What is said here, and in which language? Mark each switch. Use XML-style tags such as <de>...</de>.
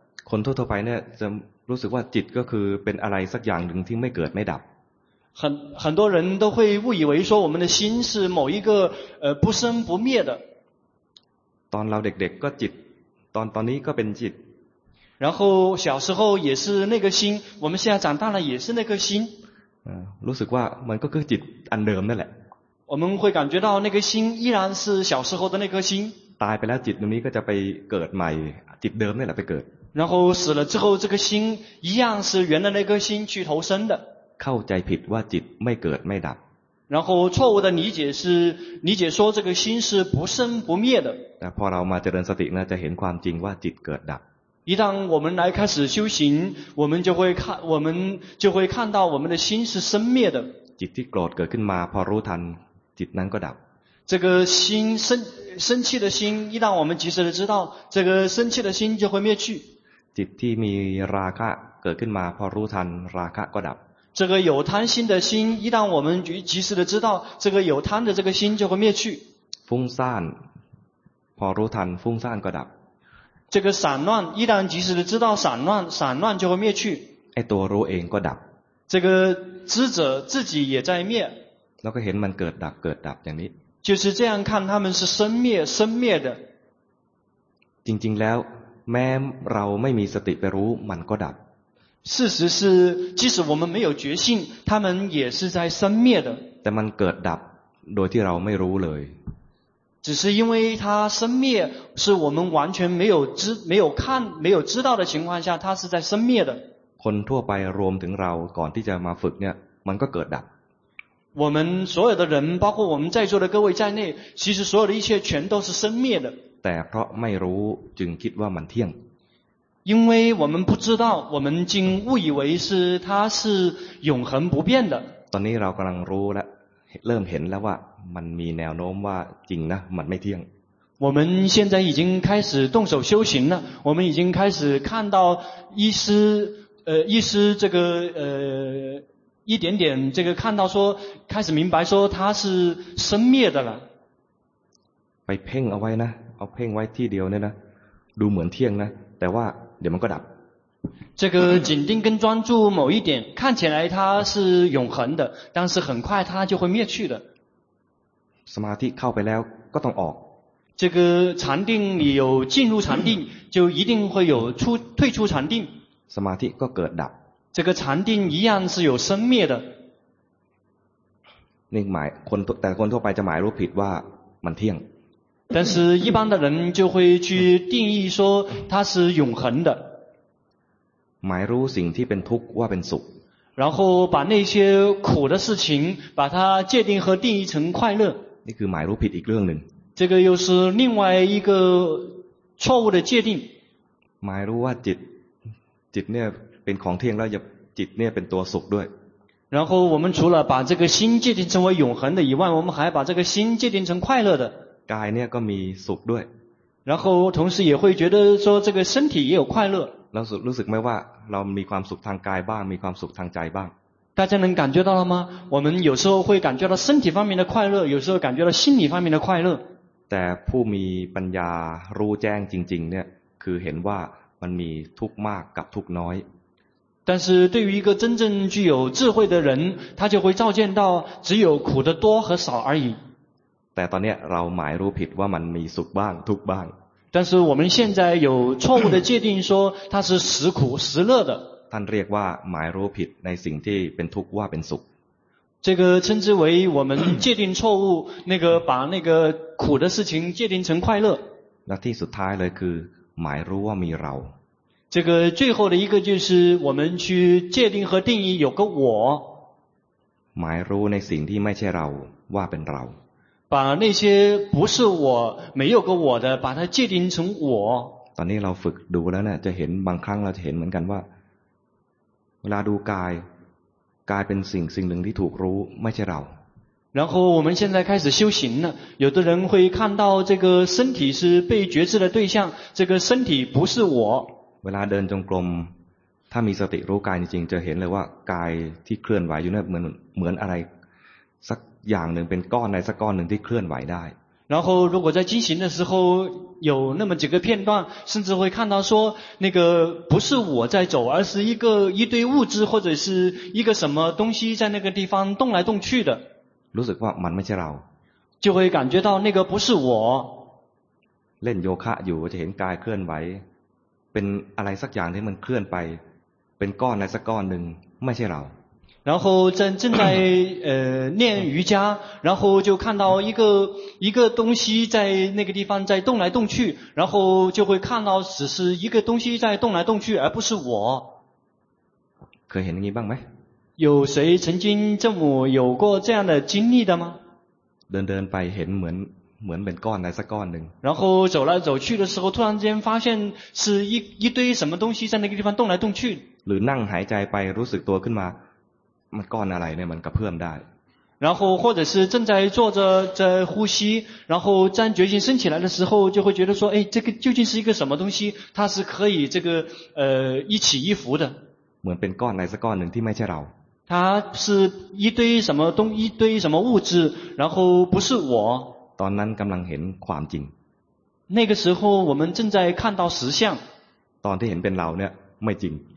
<th>คนทั่วไปเนี่ยจะรู้สึกว่าจิตก็คือเป็นอะไรสักอย่างหนึ่งที่ไม่เกิดไม่ดับ</th> <zh>很多人都会误以为说我们的心是某一个不生不灭的</zh> <th>ตอนเราเด็กๆก็จิตตอนนี้ก็เป็นจิต</th> <zh>然后小时候也是那个心我们现在长大了也是那个心</zh> <th>รู้สึกว่ามันก็คือจิตอันเดิมนั่นแหละ</th> <zh>我们会感觉到那颗心依然是小时候的那颗心</zh> <th>ตายไปแล้วจิตตรงนี้ก็จะไปเกิดใหม่จิตเดิมนี่แหละไปเกิด</th> <zh>然后死了之后这颗心一样是原来那颗心去投生的</zh> <th>เข้าใจผิดว่าจิตไม่เกิดไม่ดับ</th> <zh>然后错误的理解说这个心是不生不灭的</zh> <th>แต่พอเรามาเจริญสตินะจะเห็นความจริงว่าจิตเกิดดับ</th> <zh>一旦我们来开始修行我们就会看到我们的心是生灭的</zh> <th>จิตที่โกรธเกิดขึ้นมาพอรู้ทันจิตนั้นก็ดับ</th> <zh>这个心生气的心一旦我们及时的知道这个生气的心就会灭去</zh> <th>จิตที่มีราคะเกิดขึ้นมาพอรู้ทันราคะก็ดับ</th> <zh>这个有贪心的心一旦我们及时的知道这个有贪的这个心就会灭去</zh> <th>ฟุ้งซ่านพอรู้ทันฟุ้งซ่านก็ดับ</th> <zh>这个散乱一旦及时的知道散乱就会灭去</zh> <th>ไอ้ตัวรู้เองก็ดับ</th> <zh>这个知者自己也在灭</zh> <th>แล้วก็เห็นมันเกิดดับเกิดดับอย่างนี้</th> <zh>就是这样看他们是生灭的</zh> <th>จริงๆแล้วแม้เราไม่มีสติไปรู้มันก็ดับ</th> <zh>事实是即使我们没有觉性他们也是在生灭的</zh> <th>แต่มันเกิดดับโดยที่เราไม่รู้เลย</th> <zh>只是因为它生灭是我们完全没有知道的情况下它是在生灭的</zh> <th>คนทั่วไปรวมถึงเราก่อนที่จะมาฝึกเนี่ยมันก็เกิดดับ</th> <zh>我们所有的人包括我们在座的各位在内其实所有的一切全都是生灭的</zh> <th>แต่เพราะไม่รู้จึงคิดว่ามันเที่ยง</th> <zh>因为我们不知道我们竟误以为是它是永恒不变的</zh> <th>ตอนนี้เรากำลังรู้แล้วเริ่มเห็นแล้วว่ามันมีแนวโน้มว่าจริงนะมันไม่เที่ยง</th> <zh>我们现在已经开始动手修行了我们已经开始看到一丝这个一点点这个看到说开始明白说它是生灭的了</zh> <th>ไปเพ่งเอาไว้นะเอาเพ่งไว้ที่เดียวเนี่ยนะดูเหมือนเที่ยงนะแต่ว่าเดี๋ยวมันก็ดับ</th> <zh>这个紧盯跟专注某一点看起来它是永恒的但是很快它就会灭去的</zh> <th>สมาธิเข้าไปแล้วก็ต้องออก</th> <zh>这个禅定你有进入禅定就一定会有出退出禅定</zh> <th>สมาธิก็เกิดดับ</th> <zh>这个禅定一样是有生灭的</zh> <th>นี่หมายคนแต่คนทั่วไปจะหมายรู้ผิดว่ามันเที่ยง</th> <zh>但是一般的人就会去定义说它是永恒的</zh> <th>หมายรู้สิ่งที่เป็นทุกข์ว่าเป็นสุข</th> <zh>然后把那些苦的事情把它界定和定义成快乐</zh> <th>นี่คือหมายรู้ผิดอีกเรื่องหนึ่ง</th> <zh>这个又是另外一个错误的界定</zh> <th>หมายรู้ว่าจิตเนี่ยเป็นของเที่ยงแล้วจิตเนี่ยเป็นตัวสุขด้วย</th> <zh>然后我们除了把这个心界定成为永恒的以外我们还把这个心界定成快乐的</zh> <th>กายเนี่ยก็มีสุขด้วย</th> <zh>然后同时也会觉得说这个身体也有快乐</zh> <th>เรารู้สึกไหมว่าเรามีความสุขทางกายบ้างมีความสุขทางใจบ้าง</th> <zh>大家能感觉到了吗我们有时候会感觉到身体方面的快乐有时候感觉到心理方面的快乐</zh> <th>แต่ผู้มีปัญญารู้แจ้งจริงๆเนี่ยคือเห็นว่ามันมีทุกข์มากกับทุกข์น้อย</th> <zh>但是对于一个真正具有智慧的人他就会照见到只有苦的多和少而已</zh> <th>แต่ตอนเนี้ยเราหมายรู้ผิดว่ามันมีสุขบ้างทุกข์บ้าง</th> <zh>但是我们现在有错误的界定说它是时苦时乐的</zh> <th>ท่านเรียกว่าหมายรู้ผิดในสิ่งที่เป็นทุกข์ว่าเป็นสุข</th> <zh>这个称之为我们界定错误那个把那个苦的事情界定成快乐</zh> <th>และที่สุดท้ายเลยคือหมายรู้ว่ามีเรา</th> <zh>这个最后的一个就是我们去界定和定义有个我</zh> <th>หมายรู้ในสิ่งที่ไม่ใช่เราว่าเป็นเรา</th> <zh>把那些不是我没有个我的把它界定成我</zh> <th>ตอนนี้เราฝึกดูแล้วเนี่ยจะเห็นบางครั้งเราจะเห็นเหมือนกันว่าเวลาดูกายเป็นสิ่งหนึ่งที่ถูกรู้ไม่ใช่เรา</th> <zh>然后我们现在开始修行了有的人会看到这个身体是被觉知的对象这个身体不是我</zh> <th>เวลาเดินจงกรมถ้ามีสติรู้กายจริงๆจะเห็นเลยว่ากายที่เคลื่อนไหวอยู่เนี่ยเหมือนอะไรสักอย่างหนึ่งเป็นก้อนในสักก้อนหนึ่งที่เคลื่อนไหวได้</th> <zh>然后如果在进行的时候有那么几个片段甚至会看到说那个不是我在走而是一堆物质或者是一个什么东西在那个地方动来动去的</zh> <th>รู้สึกว่ามันไม่ใช่เรา</th> <zh>就会感觉到那个不是我</zh> <th>เล่นโยคะอยู่จะเห็นกายเคลื่อนไหวเป็นอะไรสักอย่างที่มันเคลื่อนไปเป็นก้อนในสักก้อนหนึ่งไม่ใช่เรา</th> <zh>然后正在念瑜伽然后就看到一个东西在那个地方在动来动去然后就会看到只是一个东西在动来动去而不是我可以你帮没有谁曾经这么有过这样的经历的吗</zh> <th>เดินไปเห็นเหมือนเป็นก้อนในสักก้อนหนึ่ง</th> <zh>然后走来走去的时候突然间发现是一堆什么东西在那个地方动来动去</zh> <th>หรือนั่งหายใจไปรู้สึกตัวขึ้นมามันก้อนอะไรเนี่ยมันกระเพื่อมได้</th> <zh>然后或者是正在坐着在呼吸然后当决心升起来的时候就会觉得说哎这个究竟是一个什么东西它是可以这个一起一伏的</zh> <th>เหมือนเป็นก้อนในสักก้อนหนึ่งที่ไม่ใช่เรา</th> <zh>它是一堆什么物质然后不是我</zh> <th>ตอนนั้นกำลังเห็นความจริง</th> <zh>那个时候我们正在看到实相</zh> <th>ตอนที่เห็นเป็นเราเนี่ยไม่จริง</th>